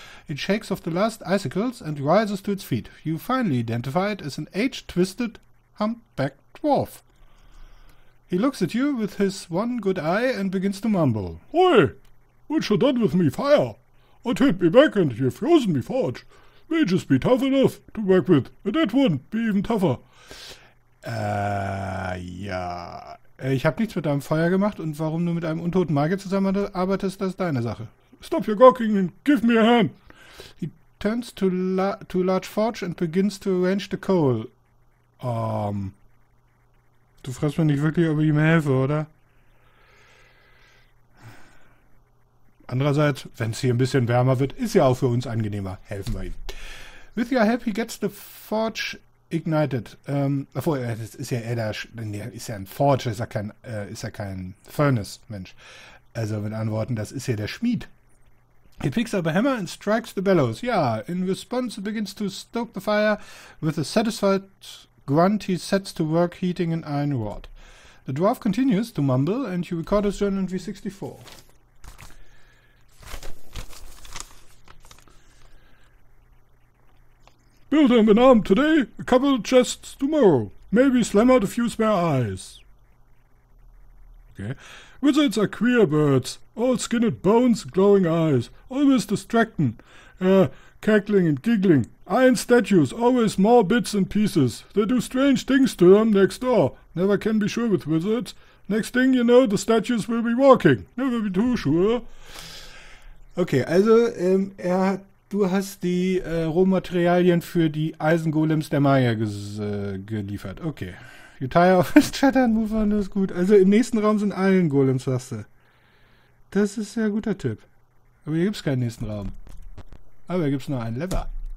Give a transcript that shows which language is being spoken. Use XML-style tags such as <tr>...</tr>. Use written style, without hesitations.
<en>It shakes off the last icicles and rises to its feet. You finally identify it as an aged, twisted, humpbacked dwarf. He looks at you with his one good eye and begins to mumble. Oi! What you done with me fire? I turned me back and you've frozen me forge. May just be tough enough to work with, and that one be even tougher.</en> <de>Ja. Ich hab nichts mit deinem Feuer gemacht und warum du mit einem untoten Magier zusammenarbeitest, das ist deine Sache.</de> <en>Stop your gawking and give me a hand. He turns to large forge and begins to arrange the coal.</en> <de>Du fragst mir nicht wirklich, ob ich ihm helfe, oder? Andererseits, wenn es hier ein bisschen wärmer wird, ist ja auch für uns angenehmer. Helfen wir ihm.</de> <en>With your help, he gets the forge ignited.</en> <de>Das ist ja ein Forge, ist ja kein Furnace, Mensch. Also mit anderen Worten, das ist ja der Schmied.</de> <en>He picks up a hammer and strikes the bellows.</en> <de>Ja,</de> <en>in response, he begins to stoke the fire. With a satisfied grunt, he sets to work heating an iron rod. The dwarf continues to mumble and you record his journal in V64. Build him an arm today, a couple of chests tomorrow. Maybe slam out a few spare eyes. Okay. Wizards are queer birds, all skin and bones, glowing eyes, always distracting, cackling and giggling. Iron statues, always more bits and pieces. They do strange things to them next door. Never can be sure with wizards. Next thing you know, the statues will be walking. Never be too sure.</en> <de>Okay, also, du hast die Rohmaterialien für die Eisengolems der Maya geliefert. Okay.</de> <en>You tire of his chatter and move on,</en> <de>das ist gut. Also im nächsten Raum sind Eisengolems, sagst du. Das ist ja ein guter Tipp. Aber hier gibt's keinen nächsten Raum. Aber hier gibt's nur einen Lever.</de>